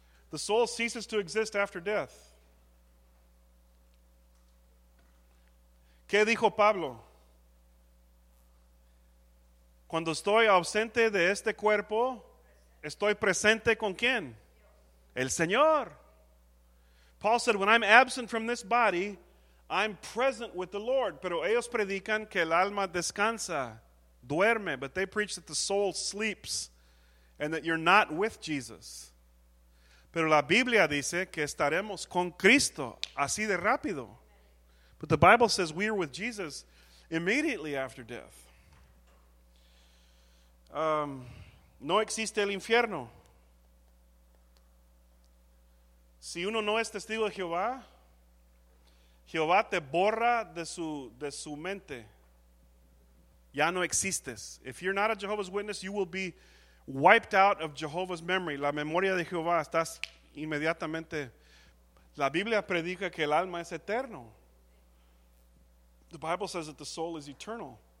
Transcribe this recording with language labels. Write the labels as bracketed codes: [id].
[en] The soul ceases to exist after death. [es] ¿Qué dijo Pablo? Cuando estoy ausente de este cuerpo, estoy presente con quién? El Señor. [en] Paul said, when I'm absent from this body, I'm present with the Lord. [es] Pero ellos predican que el alma descansa, duerme. [en] But they preach that the soul sleeps and that you're not with Jesus. [es] Pero la Biblia dice que estaremos con Cristo así de rápido. [en] But the Bible says we are with Jesus immediately after death. [es] No existe el infierno. Si uno no es testigo de Jehová, Jehová te borra de su mente. Ya no existes. [en] If you're not a Jehovah's Witness, you will be wiped out of Jehovah's memory. [es] La memoria de Jehová, estás inmediatamente. La Biblia predica que el alma es eterno. [en] The Bible says that the soul is eternal.